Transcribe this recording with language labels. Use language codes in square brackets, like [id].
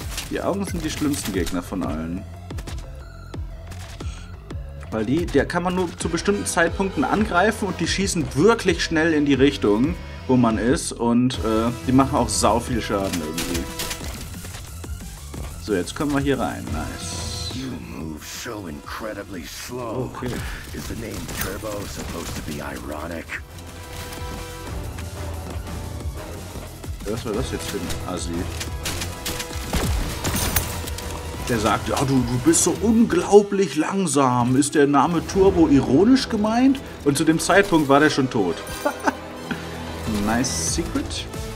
[de] Die Augen sind die schlimmsten Gegner von allen. Weil die, der kann man nur zu bestimmten Zeitpunkten angreifen und die schießen wirklich schnell in die Richtung, wo man ist. Und die machen auch sau viel Schaden irgendwie. So, jetzt kommen wir hier rein. [en] Nice. You move so incredibly slow. Okay. Is the name Turbo supposed to be ironic? [de] Was war das jetzt für ein Assi? Der sagt, ja, du bist so unglaublich langsam. Ist der Name Turbo ironisch gemeint? Und zu dem Zeitpunkt war der schon tot. [en] Nice secret.